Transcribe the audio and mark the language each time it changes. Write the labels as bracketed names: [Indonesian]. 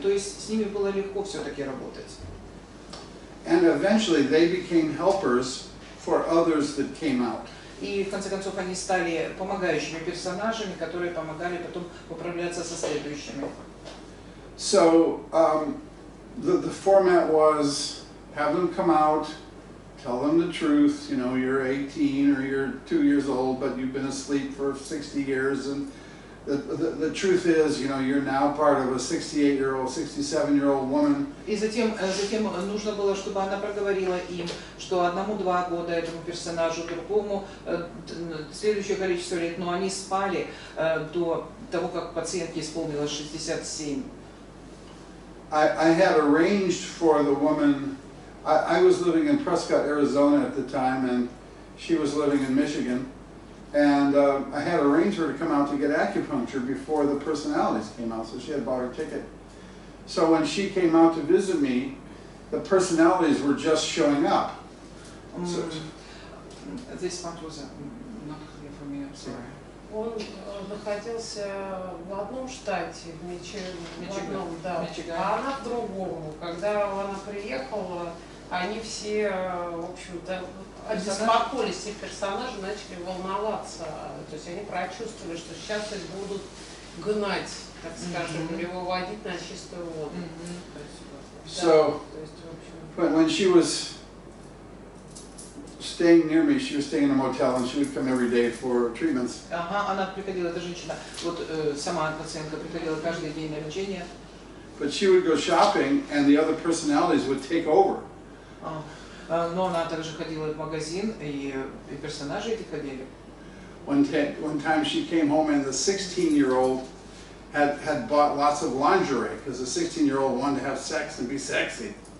[Russian] То есть с ними было легко все-таки работать. [English] And eventually they became helpers for others that came out. [Russian] И в конце концов они стали помогающими персонажами, которые помогали потом управляться со следующими. [English] So the format was have them come out, tell them the truth, you know, you're 18 or you're 2 years old, but you've been asleep for 60 years, and the truth is, you know, you're now part of a 68-year-old, 67-year-old woman. [Russian] И затем нужно было, чтобы она проговорила им, что одному 2 года этому персонажу, другому следующее количество лет, но они спали до того, как пациентке исполнилось 67. [English] I had arranged for the woman. I was living in Prescott, Arizona at the time, and she was living in Michigan. And I had arranged her to come out to get acupuncture before the personalities came out, so she had bought her ticket. So when she came out to visit me, the personalities were just showing up. So, this part was not clear for me, I'm sorry. Yeah. [Russian] Он находился в одном штате, в Мичигане, да, а она в другом. Когда она приехала, они все, в общем-то, обеспокоились, все персонажи начали волноваться. То есть они прочувствовали, что сейчас их будут гнать, так скажем, mm-hmm. или выводить на чистую воду. Mm-hmm. [English] So, when she was staying near me, she was staying in a motel, and she would come every day for treatments. [Russian] Она приходила, эта женщина, вот сама пациентка приходила каждый день на лечение. [English] But she would go shopping, and the other personalities would take over. [Russian] Но она также ходила в магазин, и персонажи эти ходили. [English] One time she came home, and the 16-year-old had bought lots of lingerie, because the 16-year-old wanted to have sex and be sexy.